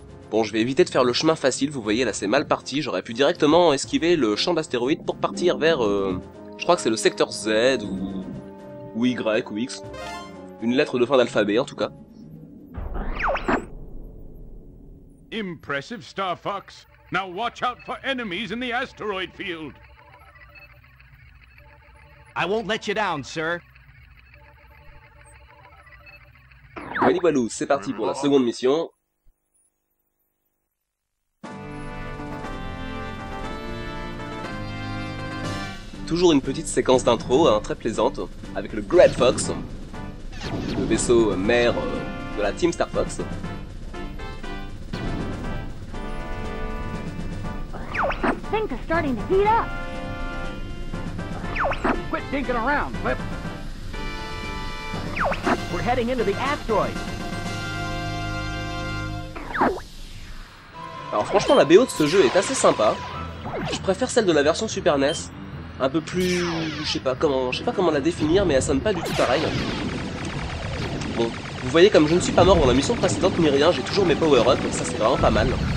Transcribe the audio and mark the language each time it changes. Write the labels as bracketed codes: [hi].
[fr] Bon, je vais éviter de faire le chemin facile, vous voyez là c'est mal parti, j'aurais pu directement esquiver le champ d'astéroïdes pour partir vers... je crois que c'est le secteur Z ou Y ou X. Une lettre de fin d'alphabet en tout cas. [en] Impressive Star Fox. Now watch out for enemies in the asteroid field. I won't let you down, sir. [fr] Wally Walou, c'est parti pour la seconde mission. Toujours une petite séquence d'intro, hein, très plaisante, avec le Great Fox, le vaisseau mère de la Team Star Fox. [en] Things are starting to heat up. Quit dinking around, Flip. We're heading into the asteroid. [fr] Alors franchement, la BO de ce jeu est assez sympa. Je préfère celle de la version Super NES. Un peu plus... Je sais pas comment la définir, mais elle sonne pas du tout pareil. Bon, vous voyez, comme je ne suis pas mort dans la mission précédente ni rien, j'ai toujours mes power-ups, donc ça c'est vraiment pas mal.